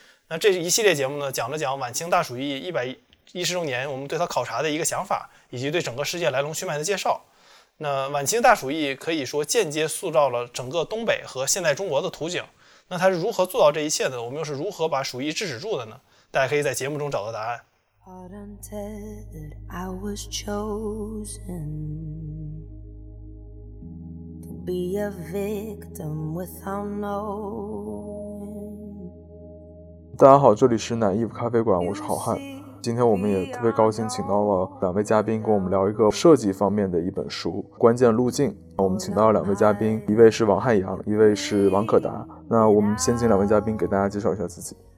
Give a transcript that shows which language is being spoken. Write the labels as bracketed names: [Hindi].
[Chinese] 那这一系列节目呢，讲了讲晚清大鼠疫110周年，我们对它考察的一个想法，以及对整个世界来龙去脉的介绍。那晚清大鼠疫可以说间接塑造了整个东北和现代中国的图景。那它是如何做到这一切的？我们又是如何把鼠疫制止住的呢？大家可以在节目中找到答案。 [English] Caught untethered, I was chosen to be a victim without knowing. [Chinese] 大家好，这里是奶衣服咖啡馆，我是好汉。今天我们也特别高兴，请到了两位嘉宾跟我们聊一个设计方面的一本书《关键路径》。我们请到了两位嘉宾，一位是王汉阳，一位是王可达。那我们先请两位嘉宾给大家介绍一下自己。